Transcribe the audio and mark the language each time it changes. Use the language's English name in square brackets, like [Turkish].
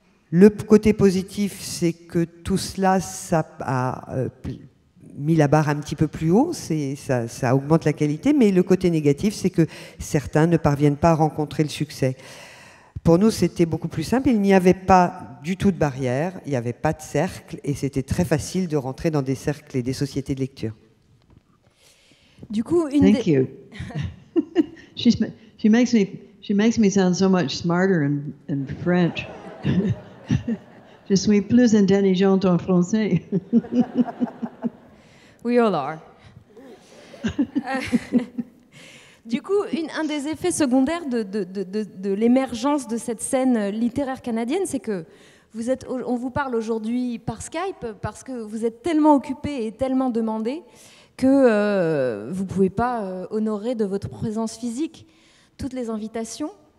[French] Le côté positif, c'est que tout cela, ça a mis la barre un petit peu plus haut, ça augmente la qualité, mais le côté négatif, c'est que certains ne parviennent pas à rencontrer le succès. Pour nous, c'était beaucoup plus simple. Il n'y avait pas du tout de barrière, il n'y avait pas de cercle, et c'était très facile de rentrer dans des cercles et des sociétés de lecture. Du coup, une des... [English] Thank you. she makes me sound so much smarter in French. [French] Je suis plus intelligente en français. [English] We all are. [French] Du coup, un des effets secondaires de l'émergence de cette scène littéraire canadienne, c'est que on vous parle aujourd'hui par Skype parce que vous êtes tellement occupé et tellement demandé que vous ne pouvez pas honorer de votre présence physique toutes les invitations.